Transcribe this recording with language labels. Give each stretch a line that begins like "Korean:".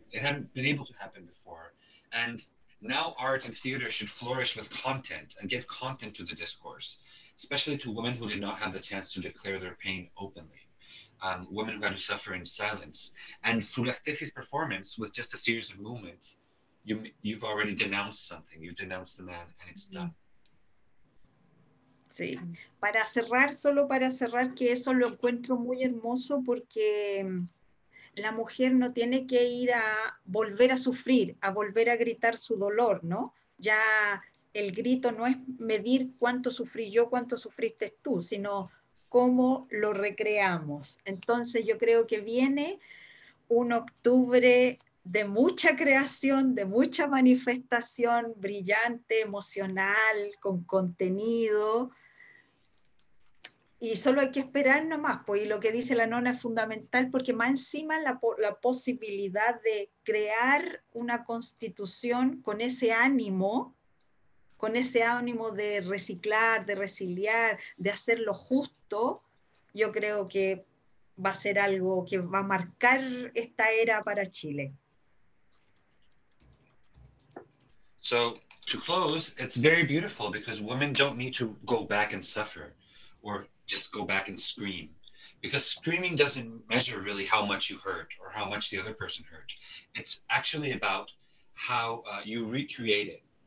English: It hadn't been able to happen before, and now art and theater should flourish with content and give content to the discourse, especially to women who did not have the chance to declare their pain openly. Women who had to suffer in silence. And through Lastesi's performance, with just a series of movements, you've already denounced something. You've denounced the man, and it's done.
Spanish: Sí. Para cerrar, solo para cerrar, que eso lo encuentro muy hermoso, porque la mujer no tiene que ir a volver a sufrir, a volver a gritar su dolor, ¿no? Ya el grito no es medir cuánto sufrí yo, cuánto sufriste tú, sino cómo lo recreamos. Entonces yo creo que viene un octubre de mucha creación, de mucha manifestación brillante, emocional, con contenido. Y solo hay que esperar nomás, pues, y lo que dice la nona es fundamental, porque más encima la posibilidad de crear una constitución con ese ánimo, con ese ánimo de reciclar, de resiliar, de hacer lo justo, yo creo que va a ser algo que va a marcar esta era para Chile.
English: So, to close, it's very beautiful because women don't need to go back and suffer or just go back and scream. Because screaming doesn't measure really how much you hurt or how much the other person hurt. It's actually about how you recreate it.